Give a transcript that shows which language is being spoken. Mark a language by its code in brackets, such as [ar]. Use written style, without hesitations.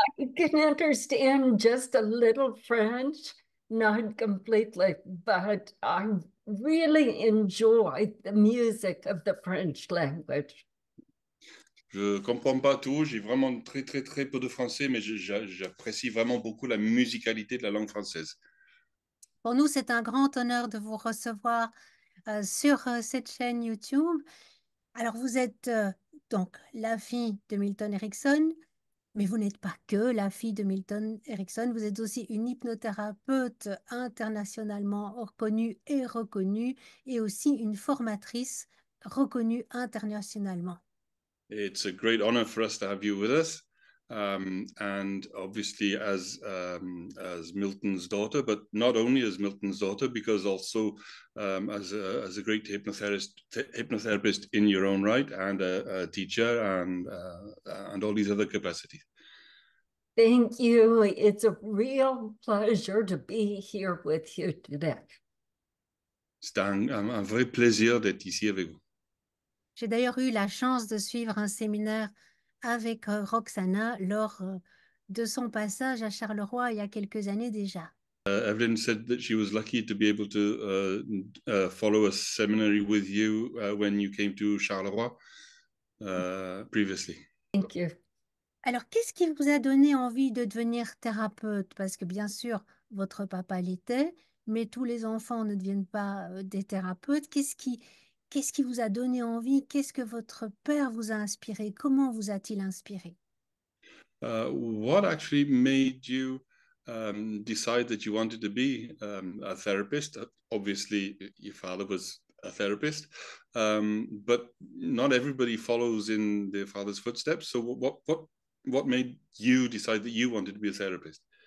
[en] I can understand just a little French, not completely, but I really enjoy the music of the French language. [fr] Je comprends pas tout, j'ai vraiment très très très peu de français, mais j'apprécie vraiment beaucoup la musicalité de la langue française. Pour nous, c'est un grand honneur de vous recevoir sur cette chaîne YouTube. Alors, vous êtes donc la fille de Milton Erickson, mais vous n'êtes pas que la fille de Milton Erickson. Vous êtes aussi une hypnothérapeute internationalement reconnue et reconnue, et aussi une formatrice reconnue internationalement. [en] It's a great honor for us to have you with us, and obviously as Milton's daughter, but not only as Milton's daughter, because also as a great hypnotherapist in your own right, and a teacher, and all these other capacities. Thank you. It's a real pleasure to be here with you today. [fr] C'est un vrai plaisir d'être ici avec vous. J'ai d'ailleurs eu la chance de suivre un séminaire avec Roxanna lors de son passage à Charleroi il y a quelques années déjà. [en] Evelyn said that she was lucky to be able to follow a seminary with you when you came to Charleroi previously. Thank you. [fr] Alors, qu'est-ce qui vous a donné envie de devenir thérapeute? Parce que bien sûr, votre papa l'était, mais tous les enfants ne deviennent pas des thérapeutes. Qu'est-ce qui vous a donné envie? Qu'est-ce que votre père vous a inspiré? Comment vous a-t-il inspiré? [en] What actually made you decide that you wanted to be a therapist? Obviously, your father was a therapist, but not everybody follows in their father's footsteps. So what made you decide that you wanted to be a therapist?